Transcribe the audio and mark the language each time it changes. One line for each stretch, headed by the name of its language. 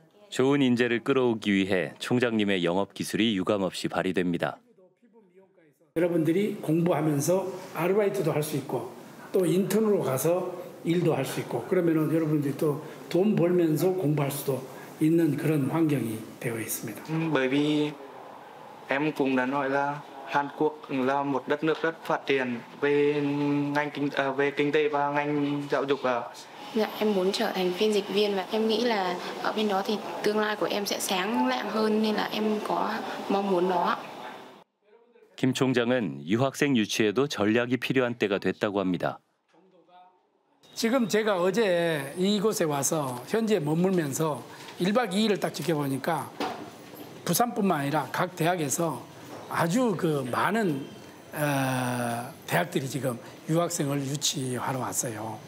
Korean: 좋은 인재를 끌어오기 위해 총장님의 영업 기술이 유감없이 발휘됩니다. 여러분들이 공부하면서 아르바이트도 할 수 있고 또 인턴으로 가서 일도 할 수 있고 그러면은 여러분들이 또 돈 벌면서 공부할 수도 있는 그런 환경이 되어 있습니다.
Vietnamese: Baby, em cũng đã nói là Hàn Quốc là một đất nước rất phát triển về ngành kinh về kinh tế và ngành giáo dục. Dạ, em muốn trở thành phiên dịch viên và em nghĩ là ở bên đó thì tương lai của em sẽ sáng lạng hơn nên là em có mong muốn đó.
Korean: 김 총장은 유학생 유치에도 전략이 필요한 때가 됐다고 합니다. 지금 제가 어제 이곳에 와서 현지에 머물면서 1박 2일을 딱 지켜보니까 부산뿐만 아니라 각 대학에서 아주 그 많은 대학들이 지금 유학생을 유치하러 왔어요.